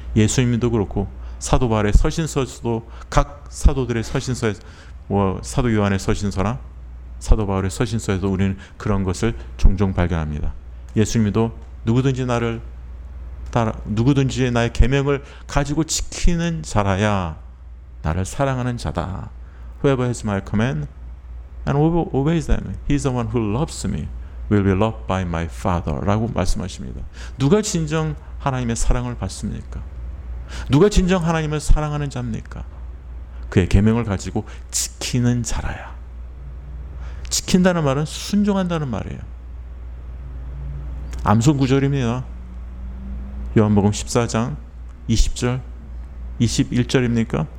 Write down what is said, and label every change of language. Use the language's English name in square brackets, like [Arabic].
[Korean] 예수님도 그렇고 사도 바울의 서신서도, 각 사도들의 서신서에 뭐 사도 요한의 서신서나 사도 바울의 서신서에도 우리는 그런 것을 종종 발견합니다. 예수님도 누구든지 나를 따라, 누구든지 나의 계명을 가지고 지키는 자라야 나를 사랑하는 자다. [English] Whoever has my command and obeys them, he is the one who loves me, will be loved by my Father [Korean] 라고 말씀하십니다. 누가 진정 하나님의 사랑을 받습니까? 누가 진정 하나님을 사랑하는 자입니까? 그의 계명을 가지고 지키는 자라야. 지킨다는 말은 순종한다는 말이에요. 암송 구절입니다. 요한복음 14장 20절 21절입니까?